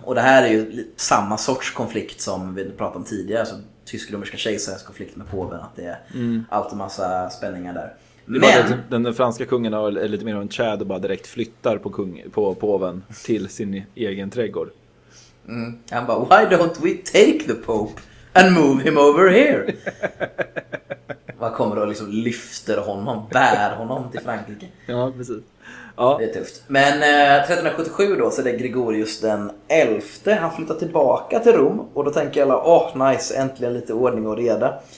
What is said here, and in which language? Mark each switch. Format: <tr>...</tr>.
<sv>Och det här är ju samma sorts konflikt som vi pratade om tidigare. Så tysk-romerska kejsarens konflikt med påven. Att det är allt och massa spänningar där. Men den franska kungen är lite mer av en tjäd och bara direkt flyttar på, kung, på påven till sin egen trädgård. Mm. Han bara,</sv> <en>why don't we take the pope and move him over here?</en> <sv>Vad kommer då liksom lyfter honom, bär honom till Frankrike? Ja, precis. Ja. Det är tufft. Men 1377 då så är det Gregorius den elfte. Han flyttar tillbaka till Rom och då tänker alla, åh, nice, äntligen lite ordning och reda.</sv>